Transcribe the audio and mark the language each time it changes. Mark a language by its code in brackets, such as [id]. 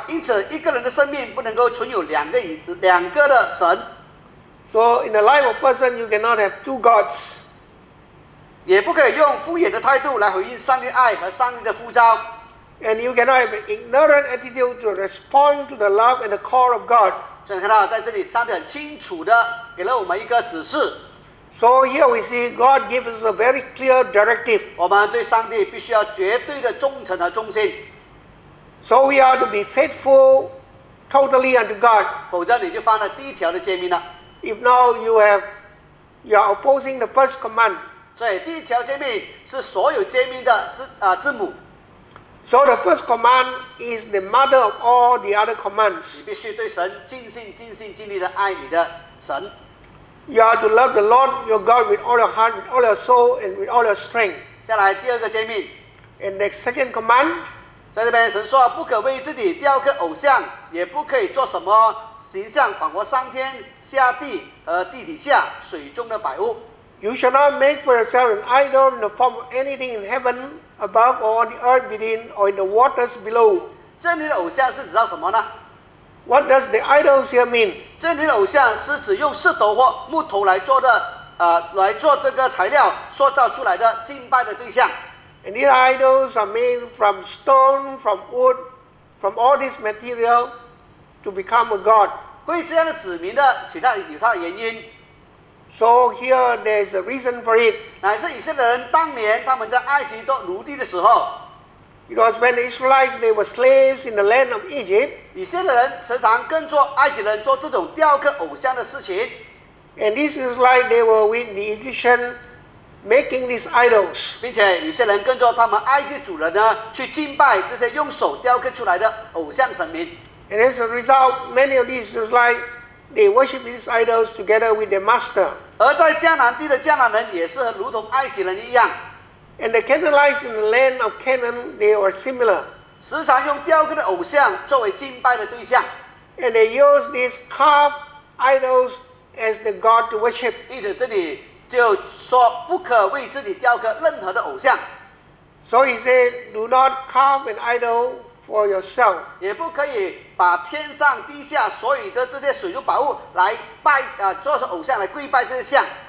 [zh] 因此，一个人的生命不能够存有两个的神。 [en] So in the life of person, you cannot have two gods. [zh] 也不可以用敷衍的态度来回应上帝爱和上帝的呼召。 [en] And you cannot have an ignorant attitude to respond to the love and the call of God. [zh] 所以你看到在这里，上帝很清楚的给了我们一个指示。 [en] So here we see God gives us a very clear directive. [zh] 我们对上帝必须要绝对的忠诚和忠心。 [en] So we are to be faithful totally unto God. [zh] 否则你就犯了第一条的诫命了。 [en] If now you are opposing the first command. [zh] 所以第一条诫命是所有诫命的字母。 [en] So the first command is the mother of all the other commands. [zh] 你必须对神尽心、尽心、尽力的爱你的神。 [en] You are to love the Lord your God with all your heart, with all your soul, and with all your strength. [zh] 下来第二个诫命。 [en] And the second command. [zh] 在这边神说，不可为自己雕刻偶像，也不可以做什么形象，仿佛上天、下地和地底下、水中的百物。 [en] You shall not make for yourself an idol in the form of anything in heaven above, or on the earth beneath, or in the waters below. [zh] 这里的偶像是指到什么呢？ [en] What does the idols here mean? [zh] 这里的偶像是指用石头或木头来做的，来做这个材料塑造出来的敬拜的对象。 [en] And these idols are made from stone, from wood, from all this material to become a god. [zh] 会这样的指明的，其他有它的原因。 [en] So here there is a reason for it. [zh] 乃是以色列人当年他们在埃及做奴隶的时候。 [en] It was when the Israelites they were slaves in the land of Egypt. [zh] 以色列人时常跟做埃及人做这种雕刻偶像的事情。 [en] And these Israelites they were with the Egyptians making these idols. [zh] 并且以色列人跟做他们埃及主人呢去敬拜这些用手雕刻出来的偶像神明。 [en] And as a result, many of these Israelites They worship these idols together with their master. [zh] 而在迦南地的迦南人也是如同埃及人一样。 [en] And the Canaanites in the land of Canaan, they were similar. [zh] 时常用雕刻的偶像作为敬拜的对象。 [en] And they used these carved idols as the god to worship. [zh] 意思这里就说不可为自己雕刻任何的偶像。 [en] So he said, do not carve an idol for yourself. [zh] 也不可以把天上地下所有的这些水族宝物来拜、做成偶像来跪拜这些像。